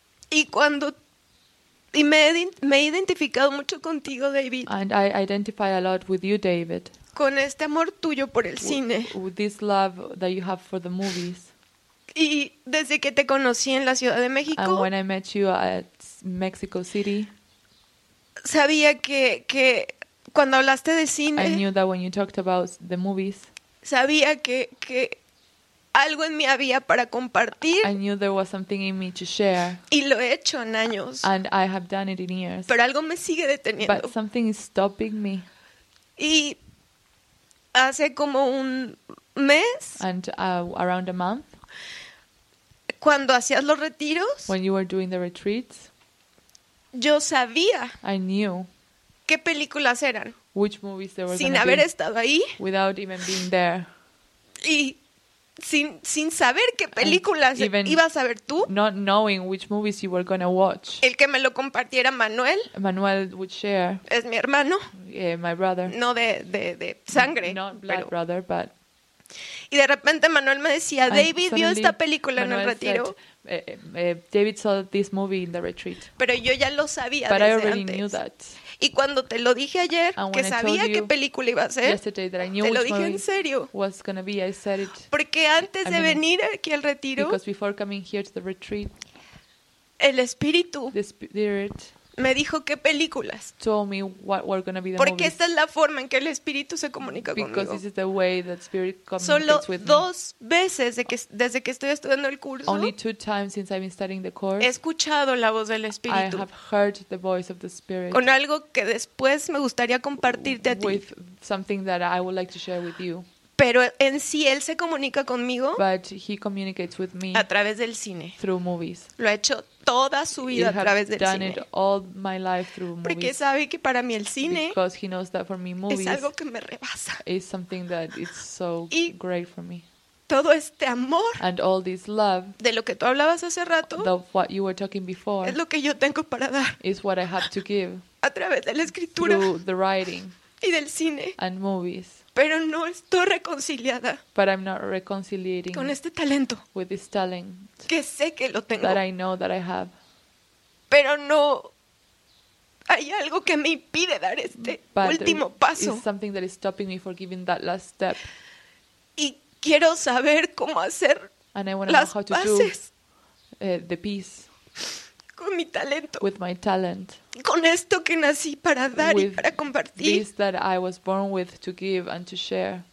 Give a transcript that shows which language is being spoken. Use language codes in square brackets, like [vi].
[es] Y cuando y me he identificado mucho contigo, David. [en] And I identify a lot with you, David. [es] Con este amor tuyo por el cine. [en] With this love that you have for the movies. [es] Y desde que te conocí en la Ciudad de México. [en] And when I met you at Mexico City. [es] Sabía que cuando hablaste de cine. [en] I knew that when you talked about the movies. [es] Sabía que algo en mí había para compartir. [en] I knew there was something in me to share. [es] Y lo he hecho en años. [en] And I have done it in years. [es] Pero algo me sigue deteniendo. [en] But something is stopping me. [es] Y hace como un mes. [en] And around a month. [es] Cuando hacías los retiros. [en] When you were doing the retreats. [es] Yo sabía. [en] I knew. [es] ¿Qué películas eran? [en] Which movies there were. [es] Sin haber estado ahí. [en] Without even being there. [es] Y sin saber qué películas ibas a ver tú. [en] Not knowing which movies you were gonna watch. [es] El que me lo compartiera Manuel. [en] Manuel would share. [es] Es mi hermano. [en] Yeah, my brother. [es] No de sangre. [en] Not blood [es] pero [en] brother, but. [es] Y de repente Manuel me decía, and David vio esta película [en] Manuel [es] en el retiro. [en] David saw this movie in the retreat. [es] Pero yo ya lo sabía [en] but [es] desde [en] I already [es] antes. [en] Knew that. [es] Y cuando te lo dije ayer, [en] and [es] que sabía qué película iba a ser, [en] yesterday that I knew [es] te lo dije en serio. [en] Was gonna be, I said it, [es] porque antes [en] I [es] de [en] mean, [es] venir aquí al retiro, [en] because before coming here to the retreat, [es] el Espíritu [en] the spirit [es] me dijo qué películas. [en] Told me what were gonna be the [es] porque [en] movies. [es] Esta es la forma en que el Espíritu se comunica [en] because [es] conmigo. [en] This is the way that spirit communicates [es] solo [en] with [es] dos [en] me. [es] Veces desde que estoy estudiando el curso. [en] Only two times since I've been studying the course. [es] He escuchado la voz del Espíritu. [en] I have heard the voice of the Spirit. [es] Con algo que después me gustaría compartirte a ti. [en] With something that I would like to share with you. [es] Pero en sí él se comunica conmigo. [en] But he communicates with me [es] a través del cine. [en] Through movies. [es] Lo ha hecho toda su vida [en] he [es] a través del [en] done [es] cine. [en] It all my life through movies. [es] Porque sabe que para mí el cine. [en] Because he knows that for me movies [es] es algo que me rebasa. [en] Is something that is so [es] y [en] great for me. [es] Todo este amor. [en] And all this love. [es] De lo que tú hablabas hace rato. [en] Of what you were talking before. [es] Es lo que yo tengo para dar. [en] Is what I have to give. [es] A través de la escritura. [en] Through the writing. [es] Y del cine. [en] And movies. [es] Pero no estoy reconciliada. [en] But I'm not reconciliating. [es] Con este talento. [en] With this talent. [es] Que sé que lo tengo. [en] That I know that I have. [es] Pero no hay algo que me impide dar este [en] but [es] último paso. [en] It's something that is stopping me from giving that last step. [es] Y quiero saber cómo hacer [en] and I want to know how to [es] bases. [en] Do the peace. [es] Con mi talento. [en] With my talent. [es] Con esto que nací para dar [en] with [es] y para compartir. [en] This that I was born with to give and to share.